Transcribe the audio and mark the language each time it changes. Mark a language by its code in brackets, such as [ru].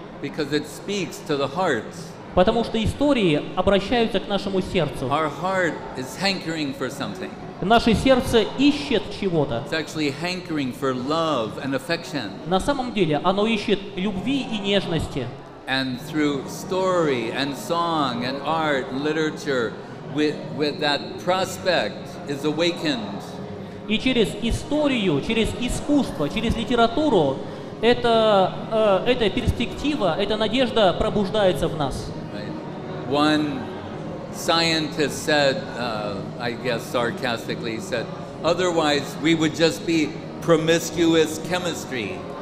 [en] Because it speaks to the heart. [ru] Потому что истории обращаются к нашему сердцу. [en] Our heart is hankering for something. [ru] Наше сердце ищет чего-то. [en] It's actually hankering for love and affection. [ru] На самом деле оно ищет любви и нежности. [en] And through story and song and art and literature, with that prospect is awakened. [ru] И через историю, через искусство, через литературу эта перспектива, эта надежда пробуждается в нас. [en] Right. One scientist said, I guess sarcastically, he said, otherwise we would just be promiscuous chemistry.